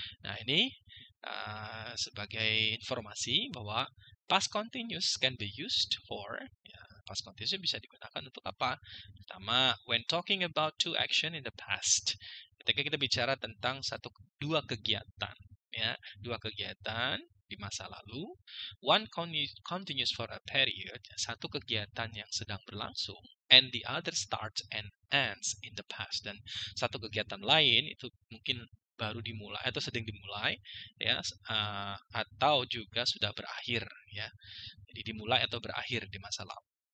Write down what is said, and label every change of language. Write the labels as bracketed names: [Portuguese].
[Indonesian] Nah, ini sebagai informasi bahwa past continuous [English] can be used for [Indonesian] ya, past continuous bisa digunakan untuk apa? Pertama, [English] when talking about two action in the past. [Indonesian] Ketika kita bicara tentang dua kegiatan ya, dua kegiatan di masa lalu, [English] one continuous for a period, [Indonesian] satu kegiatan yang sedang berlangsung, [English] and the other starts and ends in the past, [Indonesian] dan satu kegiatan lain itu mungkin baru dimulai atau sedang dimulai ya, atau juga sudah berakhir ya, jadi dimulai atau berakhir di masa lalu.